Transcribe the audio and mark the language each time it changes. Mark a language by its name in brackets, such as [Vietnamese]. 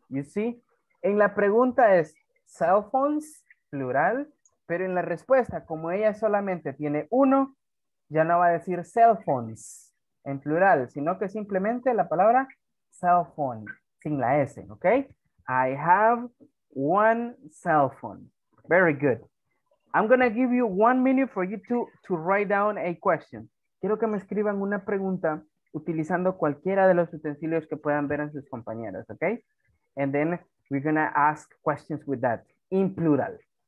[English] You see, [Spanish] en la pregunta es cell phones, plural, pero en la respuesta, como ella solamente tiene uno, ya no va a decir cell phones. en plural, sino que simplemente la palabra cell phone, sin la S, ¿ok? [English] I have one cell phone. Very good. I'm going to give you 1 minute for you to write down a question. [Spanish] Quiero que me escriban una pregunta utilizando cualquiera de los utensilios que puedan ver en sus compañeros, ¿ok? [English] And then we're going to ask questions with that in plural.